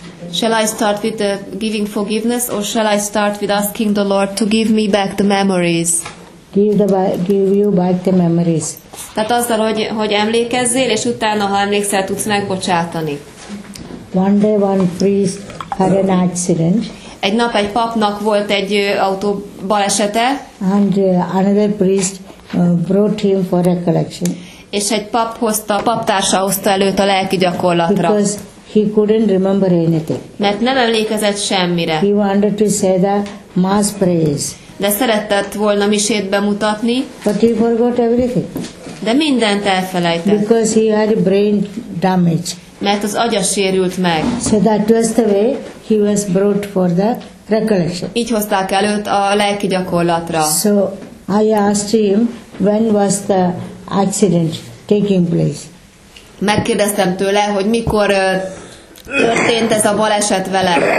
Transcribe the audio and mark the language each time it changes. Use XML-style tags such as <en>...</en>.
<en>Shall I start with the giving forgiveness or shall I start with asking the Lord to give me back the memories? Give you back the memories.</en> <hu>Tehát azzal, hogy emlékezzél, és utána, ha emlékszel, tudsz megbocsátani.</hu> <en>One day one priest had an accident.</en> <hu>Egy nap egy papnak volt egy autó balesete.</hu> <en>And another priest brought him for recollection.</en> <hu>És egy pap hozta, paptársa hozta előtt a lelki gyakorlatra.</hu> <en>Because he couldn't remember anything.</en> <hu>Mert nem emlékezett semmire.</hu> <en>He wanted to say the mass praise.</en> <hu>De szeretett volna misét bemutatni.</hu> <en>But he forgot everything.</en> <hu>De mindent elfelejtett.</hu> <en>Because he had brain damage.</en> <hu>Mert az agya sérült meg.</hu> <en>So that was the way he was brought for the recollection.</en> <hu>Így hozták előtt a lelki gyakorlatra.</hu> <en>So I asked him, when was the accident taking place?</en> <hu>Megkérdeztem tőle, hogy mikor történt ez a baleset vele.</hu>